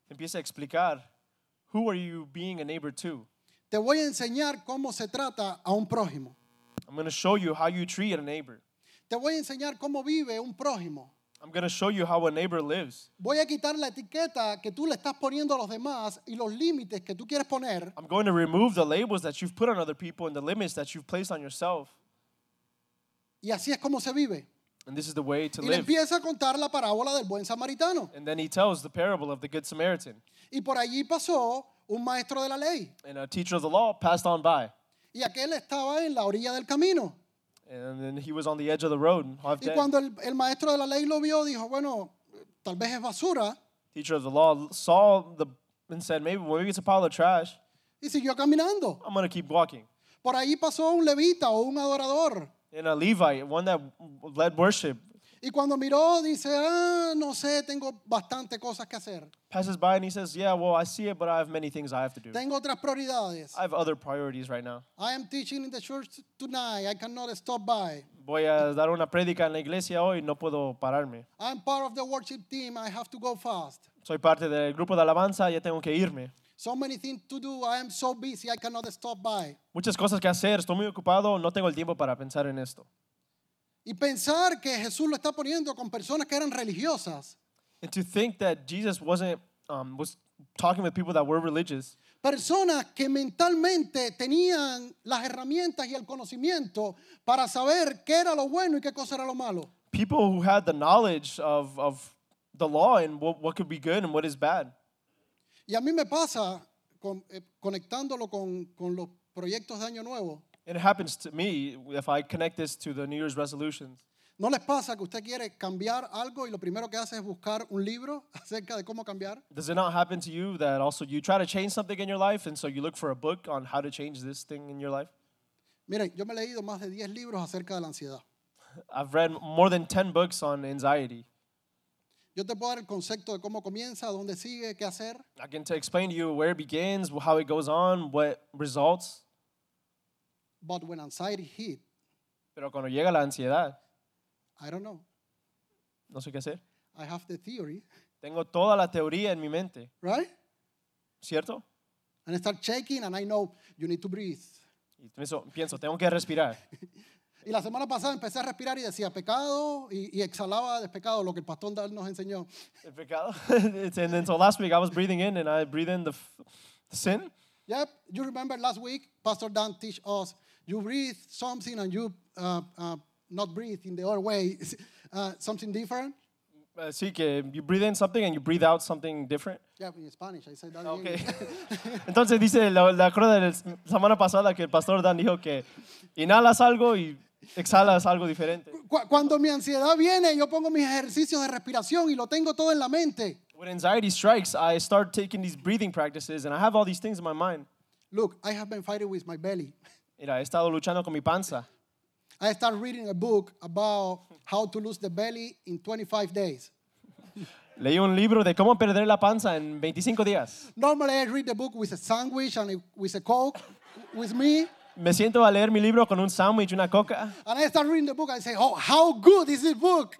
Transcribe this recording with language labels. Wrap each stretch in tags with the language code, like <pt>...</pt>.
<es>Empieza a explicar,</es> <en>"Who are you being a neighbor to?"</en> <es>Te voy a enseñar cómo se trata a un prójimo.</es> <en>I'm going to show you how you treat a neighbor.</en> <es>Te voy a enseñar cómo vive un prójimo.</es> <en>I'm going to show you how a neighbor lives.</en> <es>Voy a quitar la etiqueta que tú le estás poniendo a los demás y los límites que tú quieres poner.</es> <en>I'm going to remove the labels that you've put on other people and the limits that you've placed on yourself.</en> <es>Y así es como se vive.</es> <en>And this is the way to</en> <es>y</es> <en>live.</en> <es>Y empieza a contar la parábola del buen samaritano.</es> <en>And then he tells the parable of the good Samaritan.</en> <es>Y por allí pasó un maestro de la ley.</es> <en>And a teacher of the law passed on by.</en> <es>Y aquel estaba en la orilla del camino.</es> <en>And then he was on the edge of the road. Half dead.</en> <es>Y cuando el maestro de la ley lo vio, dijo, bueno, tal vez es basura.</es> <en>Teacher of the law saw the and said, maybe it's a pile of trash.</en> <es>Y siguió caminando.</es> <en>I'm gonna keep walking.</en> <es>Por ahí pasó un levita o un adorador.</es> <en>And a Levite, one that led worship.</en> <es>Y cuando miró, dice, no sé, tengo bastante cosas que hacer.</es> <en>Passes by and he says, yeah, well, I see it, but I have many things I have to do.</en> <es>Tengo otras prioridades.</es> <en>I have other priorities right now. I am teaching in the church tonight. I cannot stop by.</en> <es>Voy a dar una prédica en la iglesia hoy. No puedo pararme.</es> <en>I'm part of the worship team. I have to go fast.</en> <es>Soy parte del grupo de alabanza. Ya tengo que irme.</es> <en>So many things to do. I am so busy. I cannot stop by.</en> <es>Muchas cosas que hacer. Estoy muy ocupado. No tengo el tiempo para pensar en esto. Y pensar que Jesús lo está poniendo con personas que eran religiosas.</es> <en>And to think that Jesus was talking with people that were religious.</en> <es>Personas que mentalmente tenían las herramientas y el conocimiento para saber qué era lo bueno y qué cosa era lo malo.</es> <en>People who had the knowledge of the law and what could be good and what is bad.</en> <es>Y a mí me pasa conectándolo con los proyectos de Año Nuevo.</es> <en>It happens to me if I connect this to the New Year's resolutions.</en> <es>¿No les pasa que usted quiere cambiar algo y lo primero que hace es buscar un libro acerca de cómo cambiar?</es> <en>Does it not happen to you that also you try to change something in your life and so you look for a book on how to change this thing in your life?</en> <es>Miren, yo me he leído más de 10 libros acerca de la ansiedad.</es> <en>I've read more than 10 books on anxiety.</en> <es>Yo te puedo dar el concepto de cómo comienza, dónde sigue, qué hacer.</es> <en>I can explain to you where it begins, how it goes on, what results. But when anxiety hit,</en> <es>pero cuando llega la ansiedad,</es> <en>I don't know.</en> <es>No sé qué hacer.</es> <en>I have the theory.</en> <es>Tengo toda la teoría en mi mente.</es> <en>Right?</en> <es>¿Cierto?</es> <en>And I start shaking and I know you need to breathe.</en> <es>Y pienso, tengo que respirar. Y la semana pasada empecé a respirar y decía pecado y exhalaba de pecado lo que el pastor Dal nos enseñó. El pecado.</es> <en>And then so last week I was breathing in and I breathed in the sin. Yep, you remember last week, Pastor Dan teach us, you breathe something and you not breathe in the other way, something different.</en> <es>Sí, que</es> <en>you breathe in something and you breathe out something different. Yep, in Spanish, I said that. Okay.</en> <es>Entonces dice, la cruda de la semana pasada que el Pastor Dan dijo que inhalas algo y exhalas algo diferente. Cuando mi ansiedad viene, yo pongo mis ejercicios de respiración y lo tengo todo en la mente.</es> <en>When anxiety strikes, I start taking these breathing practices and I have all these things in my mind. Look, I have been fighting with my belly.</en> <es>Mira, he estado luchando con mi panza.</es> <en>I start reading a book about how to lose the belly in 25 days.</en> <es>Leí un libro de cómo perder la panza en 25 días.</es> <en>Normally I read the book with a sandwich and with a Coke with me.</en> <es>Me siento a leer mi libro con un sándwich y una coca.</es> <en>And I start reading the book. I say, oh, how good is this book?</en>